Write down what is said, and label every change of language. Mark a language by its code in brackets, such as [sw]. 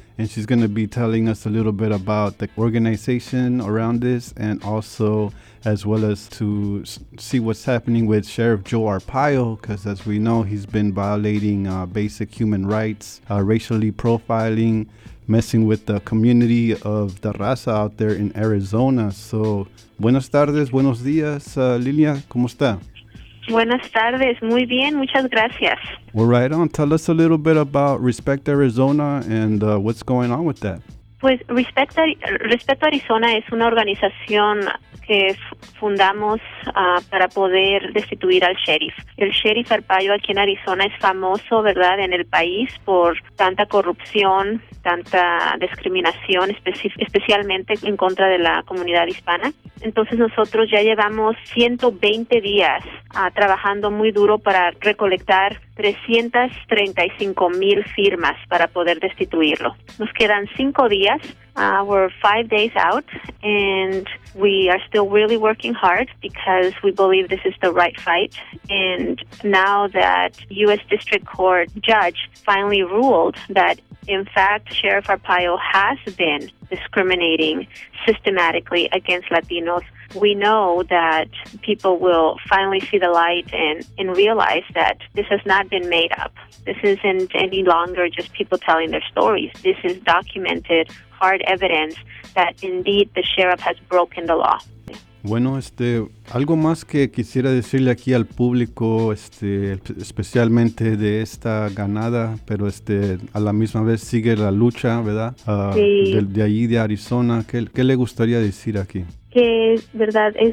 [en] And she's going to be telling us a little bit about the organization around this, and also as well as to see what's happening with Sheriff Joe Arpaio, because as we know, he's been violating basic human rights, racially profiling messing with the community of the raza out there in Arizona. [es] So, buenas tardes, buenos días, Lilia, ¿cómo está? Buenas tardes, muy bien, muchas gracias. [en] Well, right on. Tell us a little bit about Respect Arizona and what's going on with that. [es] Pues Respect Arizona es una organización que fundamos para poder destituir al sheriff. El sheriff Arpaio aquí en Arizona es famoso, ¿verdad?, en el país por tanta corrupción, tanta discriminación, especialmente en contra de la comunidad hispana. Entonces nosotros ya llevamos 120 días trabajando muy duro para recolectar 335,000 firmas para poder destituirlo. Nos quedan 5 días. [en] We're 5 days out, and we are still really working hard because we believe this is the right fight. And now that U.S. District Court judge finally ruled that, in fact, Sheriff Arpaio has been discriminating systematically against Latinos, we know that people will finally see the light and realize that this has not been made up. This isn't any longer just people telling their stories. This is documented, hard evidence that indeed the sheriff has broken the law. [es] Bueno, algo más que quisiera decirle aquí al público, especialmente de esta ganada, pero a la misma vez sigue la lucha, ¿verdad? Sí. De allí, de Arizona. ¿Qué le gustaría decir aquí? Que, ¿verdad?